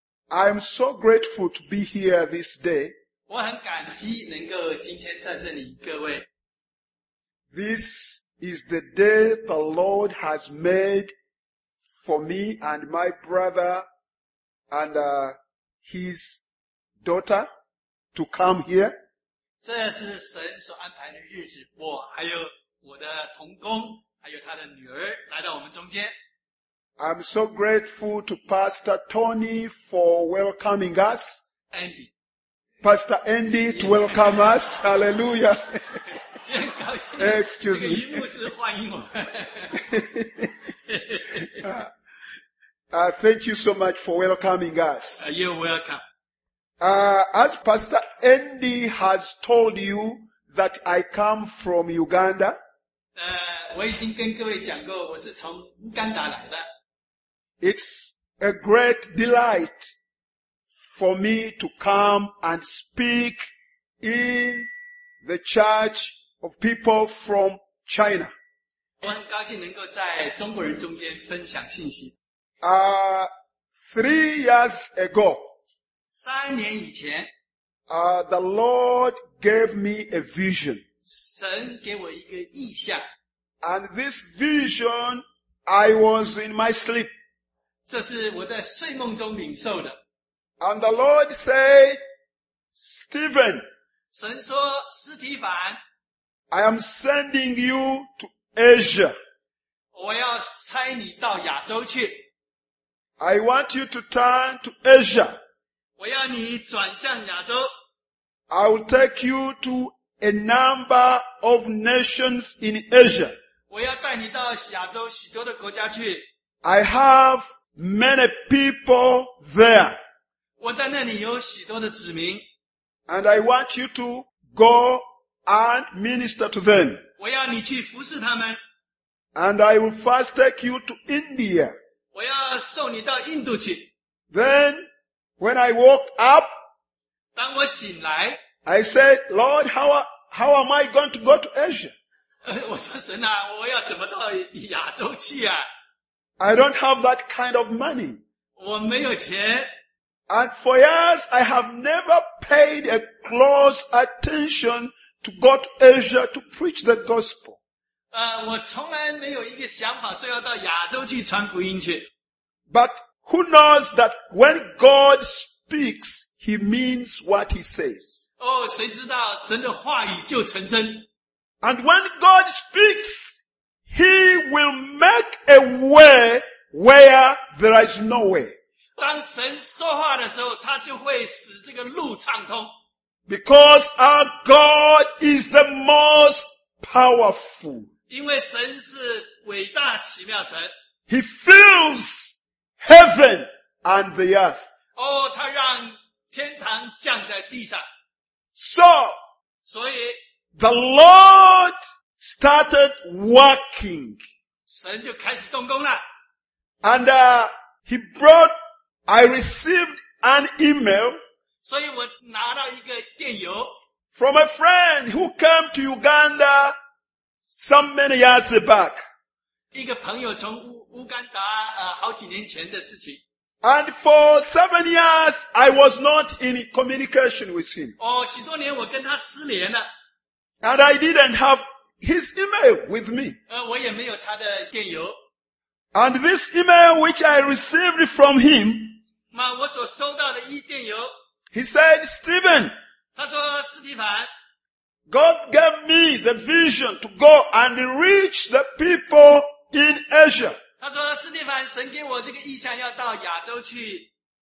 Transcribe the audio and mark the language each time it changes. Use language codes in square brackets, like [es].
[en] I'm so grateful to be here this day. [zh] 我很感激能够今天在这里各位。 [en] This is the day the Lord has made for me and my brother and his daughter to come here. [zh] 这是神所安排的日子，我还有我的同工还有他的女儿来到我们中间。 [en] I'm so grateful to Pastor Tony for welcoming us. Andy. Pastor Andy to welcome us. Hallelujah. [zh] 很高兴这个荧幕师欢迎我们。 [en] Thank you so much for welcoming us. You're welcome. As Pastor Andy has told you that I come from Uganda. [zh] 我已经跟各位讲过我是从乌干达来的。 [en] It's a great delight for me to come and speak in the church of people from China. [zh] 我很高兴能够在中国人中间分享信息。 [en] 3 years ago, [zh] 3年以前, [en] the Lord gave me a vision. [zh] 神给我一个意象。 [en] And this vision, I was in my sleep. [zh] 这是我在睡梦中领受的。 [en] And the Lord said, Stephen, [zh] 神说斯提凡, [en] I am sending you to Asia. [zh] 我要差你到亚洲去。 [en] I want you to turn to Asia. [zh] 我要你转向亚洲。 [en] I will take you to a number of nations in Asia. [zh] 我要带你到亚洲许多的国家去。 [en] I have many people there. [zh] 我在那里有许多的子民。 [en] And I want you to go and minister to them. [zh] 我要你去服侍他们。 [en] And I will first take you to India. [zh] 我要送你到印度去。 [en] Then, when I woke up, [zh] 当我醒来, [en] I said, Lord, how am I going to go to Asia? [zh] 我说神啊，我要怎么到亚洲去啊? [en] I don't have that kind of money. [zh] 我没有钱。 [en] And for years, I have never paid a close attention to go to Asia to preach the gospel. [zh] 我从来没有一个想法说要到亚洲去传福音去。 [en] But who knows that when God speaks, He means what He says. [zh] 哦，谁知道神的话语就成真。 [en] And when God speaks, He will make a way where there is no way. [zh] 当神说话的时候，他就会使这个路畅通。 [en] Because our God is the most powerful. [zh] 因为神是伟大奇妙神。 [en] He fills heaven and the earth. [zh] 哦，他让天堂降在地上。 [en] So, [zh] 所以 [en] the Lord started working. [zh] 神就开始动工了。 [en] And he brought, I received an email. [zh] 所以我拿到一个电邮。 [en] From a friend who came to Uganda some many years back. [zh] 一个朋友从乌干达好几年前的事情。 [en] And for 7 years, I was not in communication with him. [zh] 哦，许多年我跟他失联了。 [en] And I didn't have his email with me. [zh] 我也没有他的电邮。 [en] And this email which I received from him, [zh] 嘛，我所收到的一电邮。 [en] He said, Stephen, [zh] 他说斯蒂凡。 [en] God gave me the vision to go and reach the people in Asia. [zh] 他说斯蒂凡，神给我这个意象要到亚洲去。